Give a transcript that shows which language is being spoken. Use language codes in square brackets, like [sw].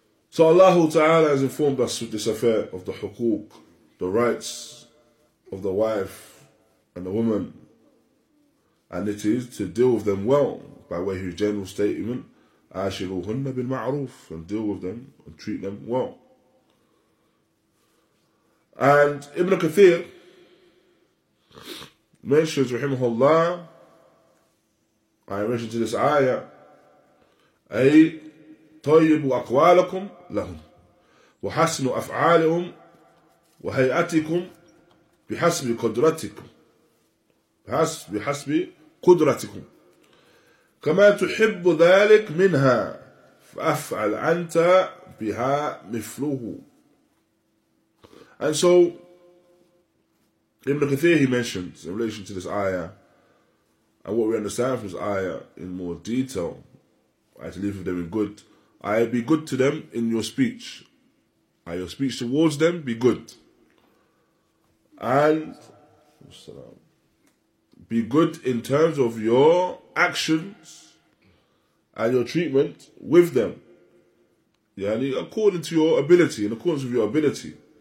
[en] So Allah Ta'ala has informed us with this affair of the hukuk, the rights of the wife and the woman, and it is to deal with them well, by way of his general statement, [ar] عَاشِرُوهُنَّ بِالْمَعْرُوفِ, [en] and deal with them and treat them well. And Ibn Kathir mentions, rahimahullah, in relation to this ayah, [ar] أي طيبوا أقوالكم لهم وحسنوا أفعالهم وهيئتكم بحسب قدرتكم بحسب قدرتكم كما تحب ذلك منها فأفعل أنت بها مثله. [en] And so, Ibn Kathir, he mentions in relation to this ayah, and what we understand from this ayah in more detail, I to live with them in good, I be good to them in your speech, I your speech towards them be good, and be good in terms of your actions and your treatment with them, yani according to your ability, in accordance with your ability.